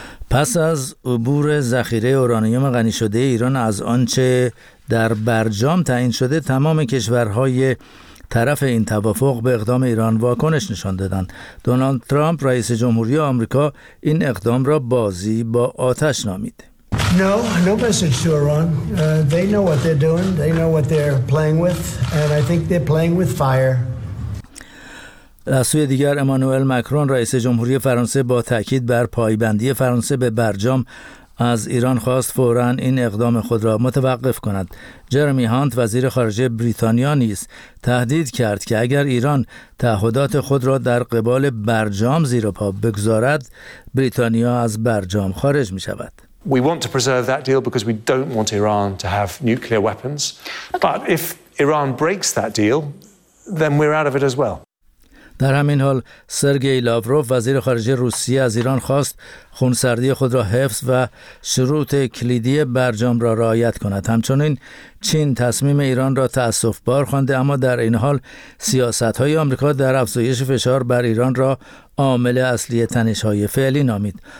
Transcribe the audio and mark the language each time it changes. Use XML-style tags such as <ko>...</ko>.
<fa>پس از عبور ذخیره اورانیوم غنی شده ایران از آنچه در برجام تعیین شده، تمام کشورهای طرف این توافق به اقدام ایران واکنش نشان دادند. دونالد ترامپ رئیس جمهوری آمریکا این اقدام را بازی با آتش نامید.</fa> <en>No message to Iran. They know what they're doing. They know what they're playing with and I think they're playing with fire.</en> <fa>از سوی دیگر امانوئل مکرون رئیس جمهوری فرانسه با تاکید بر پایبندی فرانسه به برجام از ایران خواست فوراً این اقدام خود را متوقف کند. جرمی هانت وزیر خارجه بریتانیا نیز تهدید کرد که اگر ایران تعهدات خود را در قبال برجام زیر پا بگذارد، بریتانیا از برجام خارج می شود.</fa> <en>We want to preserve that deal because we don't want Iran to have nuclear weapons. But if Iran breaks that deal, then we're out of it as well.</en> <fa>در همین حال سرگئی لاوروف وزیر خارجه روسیه از ایران خواست خونسردی خود را حفظ و شروط کلیدی برجام را رعایت کند. همچنین چین تصمیم ایران را تأسف بار خوانده، اما در این حال سیاست‌های آمریکا در افزایش فشار بر ایران را عامل اصلی تنش‌های فعلی نامید.</fa>